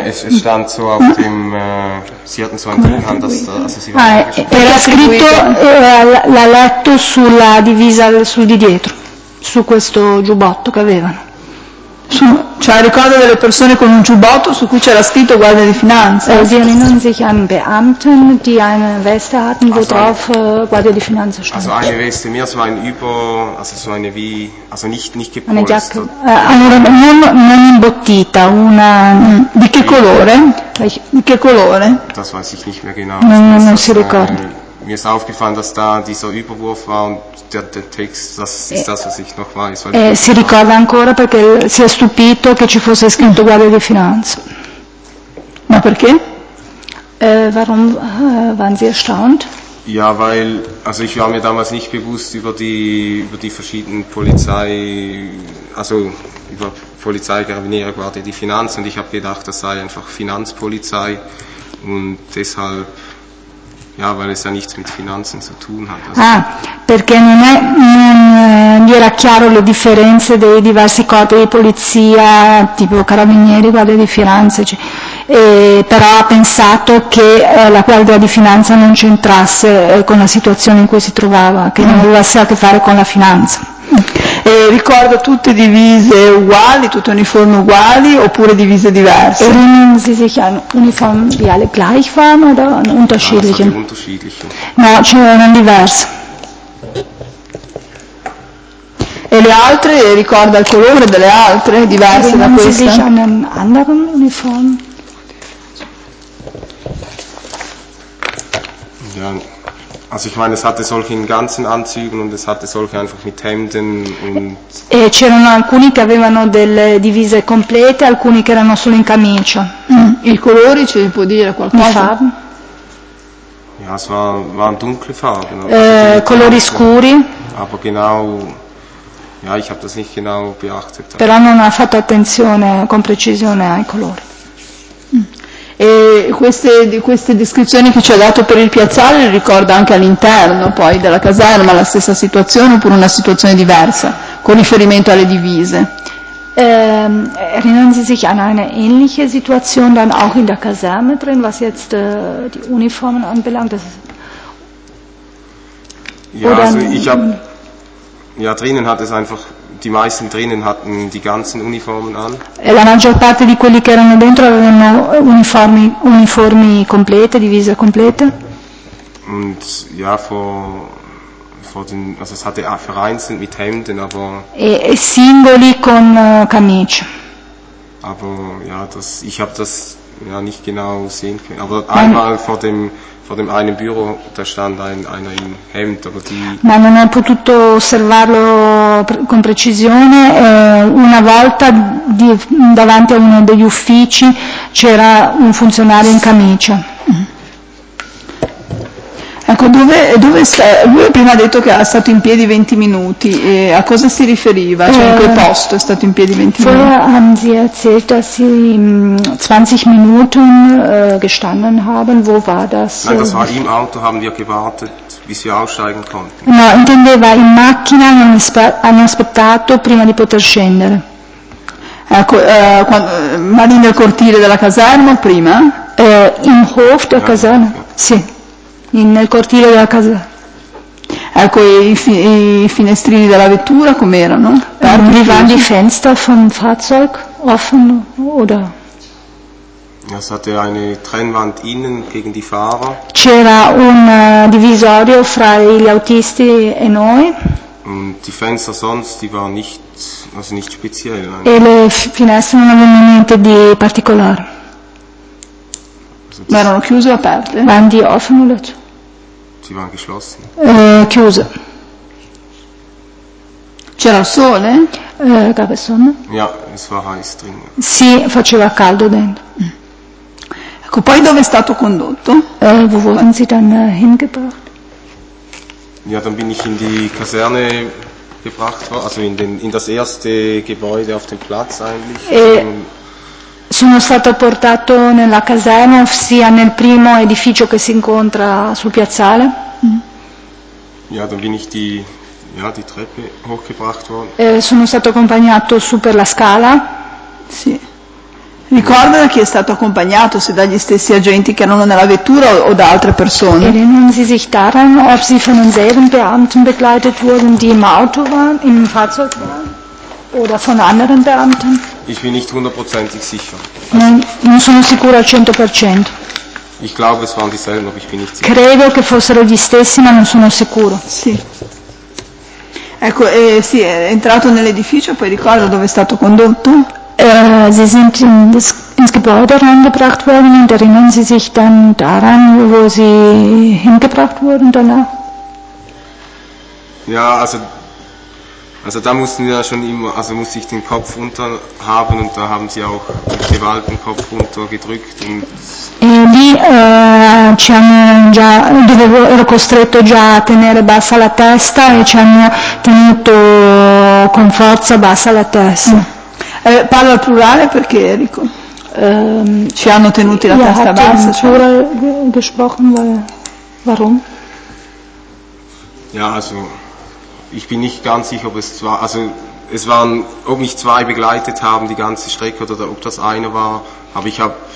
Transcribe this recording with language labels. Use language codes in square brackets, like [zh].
[de] Es stand so auf dem sie hatten so ein Ding an, dass [it] era scritto l'ha letto sulla divisa sul di dietro, su questo giubbotto che avevano. Cioè ricorda delle persone con un giubbotto su cui c'era scritto guardia di finanza. [de] Sie erinnern sich an Beamten, die eine Weste hatten, wo drauf guardia di finanza stand. Also eine Weste, mehr so ein Über, also so eine wie, also nicht gepolstert. [it] Allora, non imbottita, una di che colore? Di che colore? [de] Das weiß ich nicht mehr genau. [it] Non si ricorda. [de] Mir ist aufgefallen, dass da dieser Überwurf war und der Text, das ist das, was ich noch weiß. [it] Si ricorda ancora perché si è stupito che ci fosse scritto guardia di finanza. Ma perché? [de] Warum waren Sie erstaunt? Ja, weil, also ich war mir damals nicht bewusst über die verschiedenen Polizei, also über Polizei, Carabinieri, Guardia di Finanza, und ich habe gedacht, das sei einfach Finanzpolizei und deshalb. Ja, weil es ja nichts mit Finanzen zu tun hat. [it] Also perché non era chiaro le differenze dei diversi corpi di polizia, tipo carabinieri, guardia di finanza, cioè, però ha pensato che la Guardia di Finanza non c'entrasse con la situazione in cui si trovava, che non avesse a che fare con la finanza. E ricordo, tutte divise uguali, tutte uniformi uguali oppure divise diverse? Sì, sì, chiaro, uniformi uguali, [de] gleich waren oder unterschiedliche? [it] No, c'erano diverse. E le altre, ricorda il colore delle altre, diverse da questa? Sì, c'erano altre uniformi. [de] Also ich meine, es hatte solche in ganzen Anzügen und es hatte solche einfach mit Hemden und [it] e c'erano alcuni che avevano delle divise complete, alcuni che erano solo in camicia. I colori, ce li può dire qualcosa? [de] Ja, es waren dunkle Farben. [it] Colori scuri. [de] Aber genau, ja, ich habe das nicht genau beachtet. [it] Però non ha fatto attenzione con precisione ai colori. E queste descrizioni che ci ha dato per il piazzale ricorda anche all'interno poi della caserma la stessa situazione oppure una situazione diversa con riferimento alle divise? [de] Erinnern Sie sich an eine ähnliche Situation dann auch in der Kaserne drin, was jetzt die Uniformen anbelangt? Ja, oder also ich habe, ja, drinnen hat es einfach, die meisten drinnen hatten die ganzen Uniformen an. [it] E la maggior parte di quelli che erano dentro avevano uniformi complete, divise complete. [de] Und ja, vor den, also es hatte vereinzelt mit Hemden, aber [it] e singoli con camicia. [de] Aber ja, das, ich habe das ja nicht genau sehen können, aber einmal vor dem einen Büro, da stand einer in Hemd, aber die... [it] Ma non ho potuto osservarlo con precisione, una volta davanti a uno degli uffici c'era un funzionario in camicia. Ecco, dove sta? Lui prima ha detto che è stato in piedi 20 minuti, e a cosa si riferiva? Cioè in quel posto è stato in piedi 20 minuti? [de] Vorher haben Sie erzählt, dass Sie 20 Minuten gestanden haben, wo war das? Nein, das war im Auto, haben wir gewartet, bis wir aussteigen konnten. [it] No, intendeva in macchina, hanno aspettato prima di poter scendere. Ecco, ma lì nel cortile della caserma prima? [de] Im Hof der Kaserne, sì. [it] Nel cortile della casa. Ecco, i finestrini della vettura com'erano? [de] Wie waren die Fenster vom Fahrzeug? Offen oder? Es hatte eine Trennwand innen gegen die Fahrer. [it] C'era un divisorio fra gli autisti e noi. [de] Und die Fenster sonst, die waren nicht, also nicht speziell. [it] E le finestre non avevano niente di particolare. Ma erano chiuse o aperte? [de] Waren die offen oder zu? Sie waren geschlossen. [it] Chiuse. C'era il sole? [de] Gab es Sonne? Ja, es war heiß drin. [it] Sì, faceva caldo dentro. Ecco, poi dove è stato condotto? [de] Wo wurden Sie dann hingebracht? Ja, dann bin ich in die Kaserne gebracht, also in das erste Gebäude auf dem Platz eigentlich. [it] Sono stato portato nella caserma, ossia nel primo edificio che si incontra sul piazzale. [de] Ja, dann bin ich die Treppe hochgebracht worden. [it] Sono stato accompagnato su per la scala. Sì. Ricorda chi è stato accompagnato, se dagli stessi agenti che erano nella vettura o da altre persone? [de] Erinnern Sie sich daran, ob Sie von denselben Beamten begleitet wurden, die im Auto waren, im Fahrzeug waren? Oder von anderen Beamten? Ich bin nicht hundertprozentig sicher. [it] Nein, non sono sicuro al 100%. [de] Ich glaube, es waren dieselben, aber ich bin nicht sicher. [it] Credo che fossero gli stessi, ma non sono sicuro. Sì. Ecco, sì, è entrato nell'edificio, poi ricorda dove è stato condotto? [de] Sie sind ins Gebäude reingebracht worden und erinnern Sie sich dann daran, wo Sie hingebracht wurden danach? Ja, also da mussten wir ja schon immer, also musste ich den Kopf runter haben und da haben sie auch mit Gewalt den Kopf runter gedrückt. [it] E lì ci hanno già, dovevo, ero costretto già a tenere bassa la testa e ci hanno tenuto con forza bassa la testa. Parlo al plurale perché Erico. Ci hanno tenuti la testa bassa. [de] Ja, hat gesprochen, warum? Ja, also... Ich bin nicht ganz sicher, ob es zwar, also es waren, ob mich zwei begleitet haben die ganze Strecke oder ob das einer war, aber ich habe